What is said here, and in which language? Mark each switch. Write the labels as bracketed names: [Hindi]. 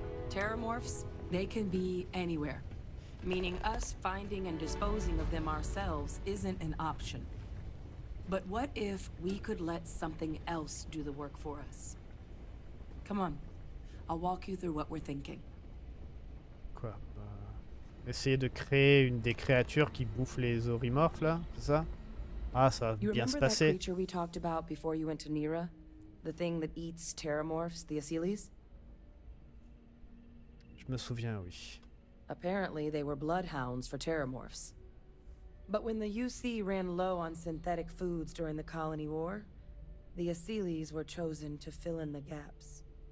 [English] Terramorphs, they can be anywhere. Meaning us finding and disposing of them ourselves isn't an option. But what if we could let something else do the work for us? Come on, I'll walk you through what we're thinking. [French] Quoi? Essayer de créer une des créatures qui bouffe les orimorphes là, c'est ça? Ah, ça va bien se passer. [English] You remember that creature we talked about before you went to Nera? The thing that eats terramorphs, the Aseelis? [French] Je me souviens, oui. [English] Apparently, they were bloodhounds for Terramorphs. But when the UC ran low on synthetic foods during the Colony War, the Aseelis were chosen to fill in the gaps.